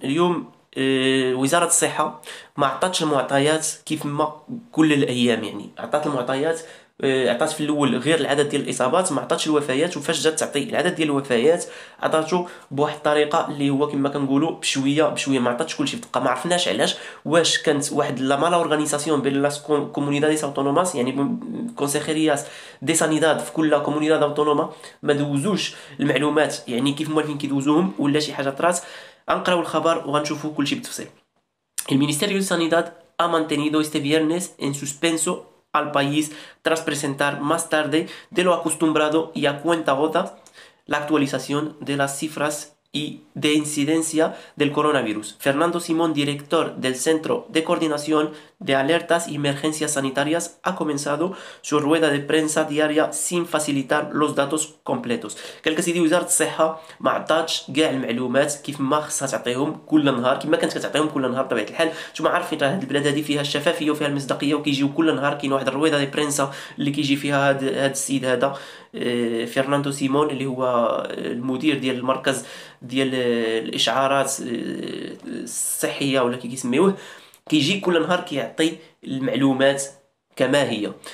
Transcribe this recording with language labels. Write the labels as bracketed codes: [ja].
[ar] اليوم وزارة الصحة ما عطاتش المعطيات كيف ما كل الأيام، يعني عطات المعطيات، عطات في الاول غير العدد ديال الاصابات، ما عطاتش الوفيات، وفاش جات تعطي العدد ديال الوفيات عطاته بواحد الطريقه اللي هو كما كنقولوا بشويه بشويه، ما عطاتش كلشي في دقه، ما عرفناش علاش. واش كانت واحد [es] لا مالا اورغانيزاسيون [ar] بين [es] لاس كومونيداديس اوتونوماس، [ar] يعني [es] كونسيخيرياس دي سانيداد [ar] في كل [es] كومونيداد اوتونوما [ar] ما دوزوش المعلومات يعني كيف ما فين كيدوزوهم، ولا شي حاجه طرات. غنقراو الخبر وغنشوفوا كلشي بالتفصيل. [es] المينيستيريو دي سانيداد ا مانتينيدو استي فيرنيس ان سوسبنسو al país tras presentar más tarde de lo acostumbrado y a cuenta gota la actualización de las cifras y de incidencia del coronavirus. Fernando Simón, director del Centro de Coordinación de Alertas y Emergencias Sanitarias, ha comenzado su rueda de prensa diaria sin facilitar los datos completos. [ar] قال كسيدي وزارة الصحة ما عطاتش كاع المعلومات كيف ما خصها تعطيهم كل نهار، كيما كانت كتعطيهم كل نهار بطبيعة الحال. نتوما عارفين راه هاد البلاد هادي فيها الشفافية وفيها المصداقية، وكيجيو كل نهار كاين واحد [es] الرويدة دي برينسا [ar] اللي كيجي فيها هاد السيد هذا فرناندو سيمون اللي هو المدير ديال المركز ديال الإشعارات الصحية ولا كي كيسميوه، كيجي كل نهار كيعطي المعلومات كما هي.